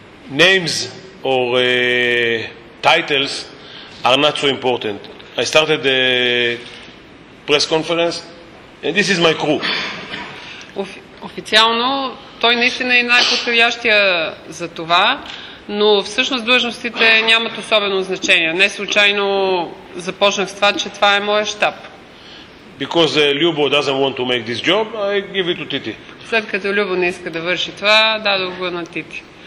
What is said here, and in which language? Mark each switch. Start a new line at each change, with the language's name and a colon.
English: Names or titles are not so important. I started the press conference, and this is my crew.
Bulgarian: Официално, той наистина е най-подходящия за това. Но всъщност длъжностите нямат особено значение. Не случайно започнах с това, че това е моят щаб.
English: Because Любо doesn't want to make this job, I give it to Titi.
Bulgarian: След като Любо не иска да върши това, дадох го на Titi.